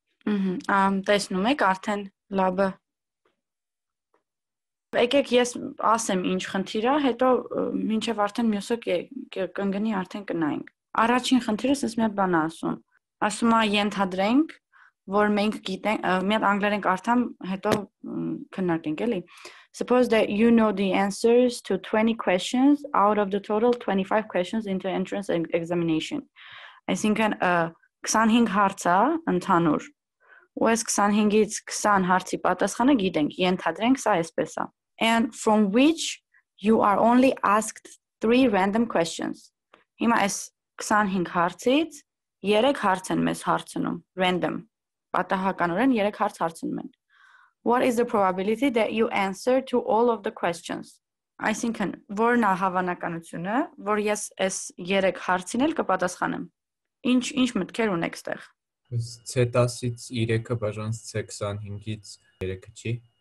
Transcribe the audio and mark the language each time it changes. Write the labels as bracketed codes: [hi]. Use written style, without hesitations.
[hy] Ահա, տեսնում եք արդեն լաբը։ Եկեք ես ասեմ ինչ խնդիր է, հետո մինչև արդեն մյուսը կընգնի արդեն կնայենք։ Առաջին խնդիրը ես մի հատ բան ասում։ Ասում եմ ենթադրենք, որ մենք գիտենք, մի հատ անգլերենք արդեն հետո քննարկենք, էլի։ [en] Suppose that you know the answers to 20 questions out of the total 25 questions into entrance examination. [hy] Այսինքն 25 հարցա ընդհանուր։ Ու այս 25-ից 20 հարցի պատասխանը գիտենք, ենթադրենք սա այսպես է։ [en] And from which you are only asked 3 random questions. [hy] Հիմա ես 25 հարցից 3 հարց են մեզ հարցնում, random, պատահականորեն 3 հարց հարցնում են։ [en] What is the probability that you answer to all of the questions? [hy] Այսինքն, որն է հավանականությունը, որ ես այս 3 հարցին էլ կպատասխանեմ։ Ինչ մտքեր ունեք ստեղ։ C10-ից 3-ը բաժանս C25-ից 3-ը, չի։